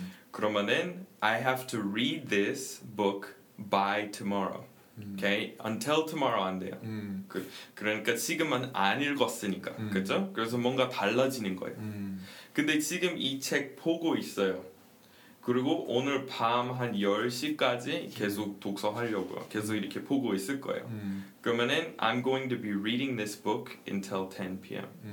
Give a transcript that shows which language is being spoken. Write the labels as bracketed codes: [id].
[en] 그러면은 I have to read this book by tomorrow. Okay? Until tomorrow [ko] 안 돼요. 그러니까 지금은 안 읽었으니까. 그렇죠? 그래서 뭔가 달라지는 거예요. 근데 지금 이 책 보고 있어요. 그리고 오늘 밤 한 10시까지 계속 독서하려고요. 계속 이렇게 보고 있을 거예요. [en] 그러면은 I'm going to be reading this book until 10 p.m.